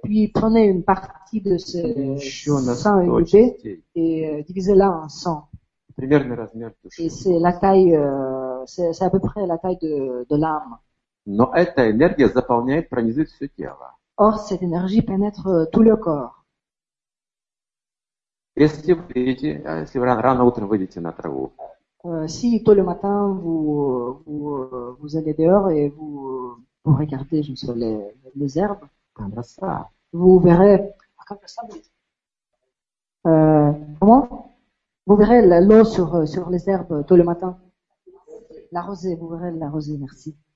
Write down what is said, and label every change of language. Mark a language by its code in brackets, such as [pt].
[fr] Puis prenez une partie de ce sang écoulé et divisez-la en 100. [ru] Примерный размер души. [fr] Et c'est la taille, c'est à peu près la taille de l'âme. [ru] Но эта энергия заполняет, пронизывает все тело. [fr] Or, cette énergie pénètre tout le corps. [ru] Если вы видите, если вы рано утром выйдете на траву. [fr] Si tôt le matin vous allez dehors et vous regardez sur les herbes, comme ça. Vous verrez comme ça, comment? Vous verrez l'eau sur les herbes tôt le matin. La rosée, vous verrez la rosée, merci.